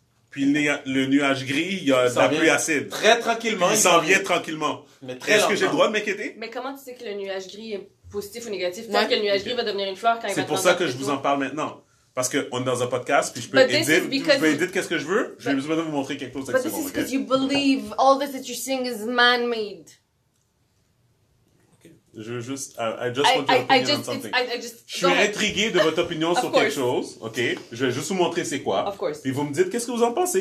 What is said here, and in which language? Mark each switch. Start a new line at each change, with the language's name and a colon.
French: Puis le nuage gris, il y a de la pluie acide. Très tranquillement. Il s'en vient tranquillement. Mais est-ce que j'ai le droit de m'inquiéter? Mais comment tu sais que le nuage gris est positif ou négatif? Tant que le nuage gris va devenir une fleur quand il va c'est pour ça que je vous en parle maintenant. Parce qu'on est dans un podcast, puis je peux éditer. Je peux éditer qu'est-ce que je veux. J'ai besoin de vous montrer quelque chose.
English: But this is because you believe all this that you're seeing is man-made.
French: Je veux juste...
English: I just want your opinion on something.
French: Je suis intrigué de votre opinion sur quelque chose. OK? Je vais juste vous montrer c'est quoi.
English: Of course.
French: Puis vous me dites qu'est-ce que vous en pensez.